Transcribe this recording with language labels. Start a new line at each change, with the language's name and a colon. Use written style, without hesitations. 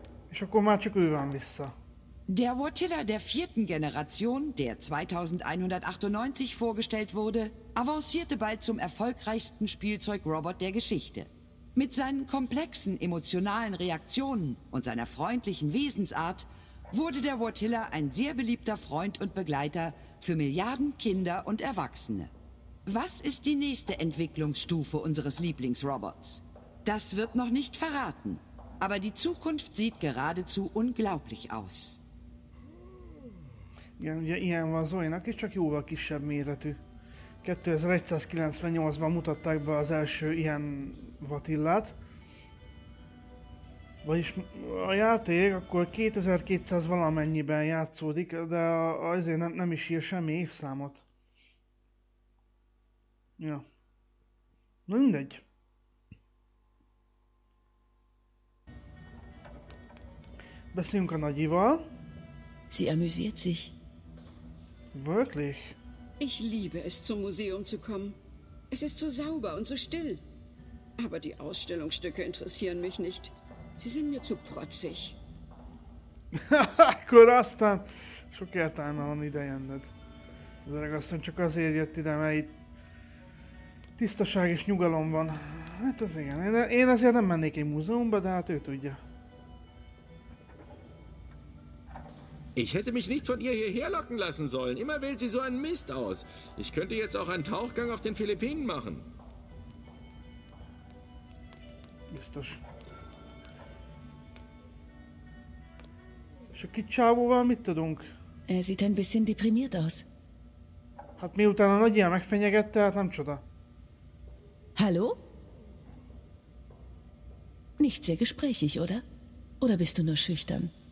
Hungarian: És akkor már csak ő van vissza.
German: Der Wartilla der vierten Generation, der 2198 vorgestellt wurde, avancierte bald zum erfolgreichsten Spielzeugrobot der Geschichte. Mit seinen komplexen emotionalen Reaktionen und seiner freundlichen Wesensart wurde der Wartilla ein sehr beliebter Freund und Begleiter für Milliarden Kinder und Erwachsene. Was ist die nächste Entwicklungsstufe unseres Lieblingsrobots? Das wird noch nicht verraten, aber die Zukunft sieht geradezu unglaublich aus.
Hungarian: Igen, ugye ilyen van Zoe-nak is, csak jóval kisebb méretű. 2198-ban mutatták be az első ilyen Wartillát. Vagyis a játék akkor 2200 valamennyiben játszódik, de azért nem is ír semmi évszámot. Ja. Na mindegy. Beszéljünk a nagyival.
German: Sie amüsiert sich. Wirklich? Ich liebe es, zum Museum zu kommen. Es ist so sauber und so still. Aber die Ausstellungsstücke interessieren mich nicht. Sie sind mir zu protzig.
Hungarian: Akkor aztán sok értelme van idejönned. Az öreg asszony csak azért jött ide, mert itt tisztaság és nyugalom van. Hát az igen. Én azért nem mennék egy múzeumba, de hát ő tudja.
German: Ich hätte mich nicht von ihr hierher locken lassen sollen. Immer wählt sie so einen Mist aus. Ich könnte jetzt auch einen Tauchgang auf den Philippinen machen. Ist das...
Hungarian: És a kicsávóval mit tudunk?
German: Er sieht ein bisschen deprimiert aus.
Hungarian: Hát miután a nagyja megfenyegette, hát nem csoda.
German: Hallo? Nicht sehr gesprächig, oder? Oder bist du nur schüchtern?